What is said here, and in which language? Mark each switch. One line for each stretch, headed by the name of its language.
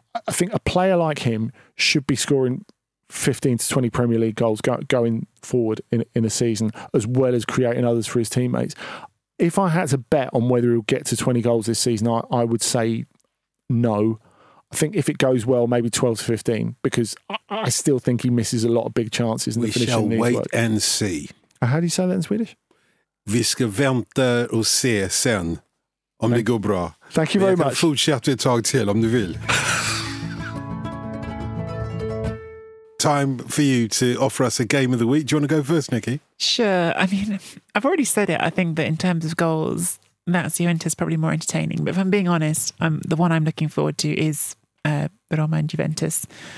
English: I think a player like him should be scoring 15 to 20 Premier League goals going forward in a season, as well as creating others for his teammates. If I had to bet on whether he'll get to 20 goals this season, I would say no. I think if it goes well, maybe 12 to 15, because I still think he misses a lot of big chances. We shall wait and see. How do you say that in Swedish?
Swedish: Vi ska vänta och se sen om det går bra.
English: Thank you very much.
Swedish: Fortsätt ett tag till om du vill.
English: Time for you to offer us a game of the week. Do you want to go first, Nikki? Sure. I mean, I've already said it. I think that in terms of goals, that's Juventus probably more entertaining. But if I'm being honest, the one I'm looking forward to is Roma and Juventus.